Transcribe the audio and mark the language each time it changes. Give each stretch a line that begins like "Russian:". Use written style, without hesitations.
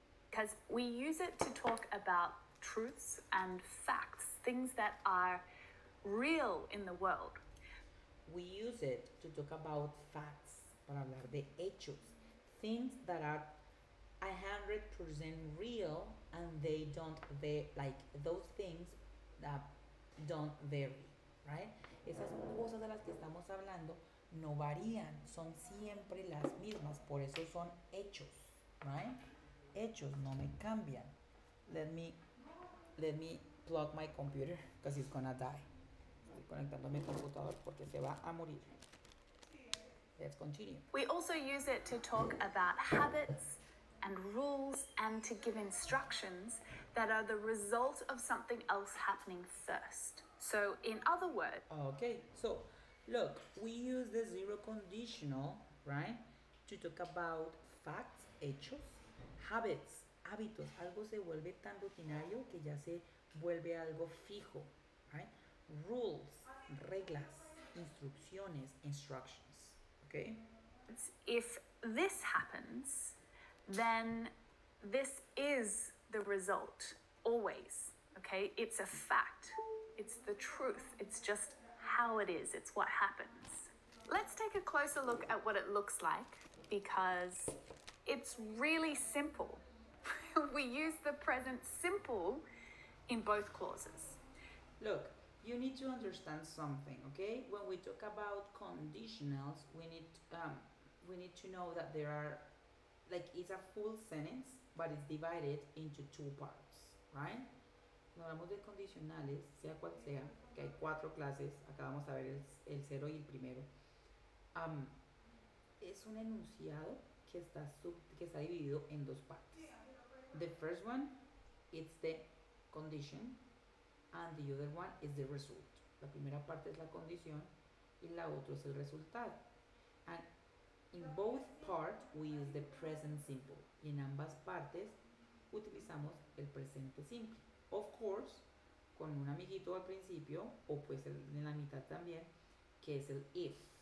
English: Because we use it to talk about truths and facts, things that are real in the world. We use it to talk about facts,
Spanish: para hablar de hechos,
English: things that are 100% real, and they don't vary, like those things that don't vary, right?
Spanish: Esas cosas de las que estamos hablando no varían, son siempre las mismas, por eso son hechos, right? Hechos no me cambian.
English: Let me plug my computer because it's gonna die.
Spanish: Estoy conectando mi computador porque se va a morir.
English: Let's continue. We also use it to talk about habits and rules and to give instructions that are the result of something else happening first. So in other words, okay, so look, we use the zero conditional, right, to talk about facts, hechos.
Spanish: Habits, hábitos, algo se vuelve tan rutinario que ya se vuelve algo fijo, right?
English: Rules, reglas, instrucciones, instructions, okay? If this happens, then this is the result, always, okay? It's a fact, it's the truth, it's just how it is, it's what happens. Let's take a closer look at what it looks like, because it's really simple. We use the present simple in both clauses. Look, you need to understand something, okay? When we talk about conditionals, we need to know that there are, like, it's a full sentence, but it's divided into two parts, right?
Spanish: Cuando hablamos de condicionales, sea cual sea, que hay cuatro clases, acabamos de ver el cero y el primero. Es un enunciado que está dividido en dos partes.
English: The first one, it's the condition, and the other one is the result.
Spanish: La primera parte es la condición y la otra es el resultado.
English: And in both parts, we use the present simple.
Spanish: Y en ambas partes, utilizamos el presente simple.
English: Of course,
Spanish: con un amiguito al principio, o puede ser en la mitad también, que es el if.